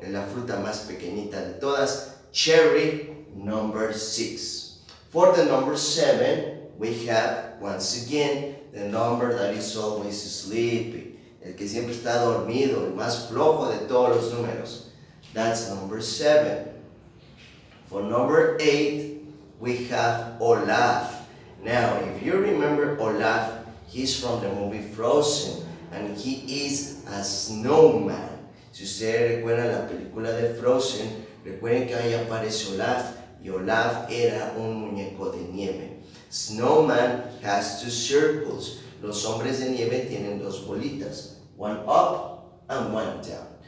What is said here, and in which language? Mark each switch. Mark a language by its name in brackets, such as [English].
[Spanish] Es la fruta más pequeñita de todas, [English] cherry number 6. For the number 7, we have, once again, the number that is always sleepy. [Spanish] El que siempre está dormido, el más flojo de todos los números. [English] That's number 7. For number 8, we have Olaf. Now, if you remember Olaf, he's from the movie Frozen, and he is a snowman. [Spanish] Si ustedes recuerdan la película de Frozen, recuerden que ahí aparece Olaf, y Olaf era un muñeco de nieve. [English] Snowman has two circles. [Spanish] Los hombres de nieve tienen dos bolitas, [English] one up and one down.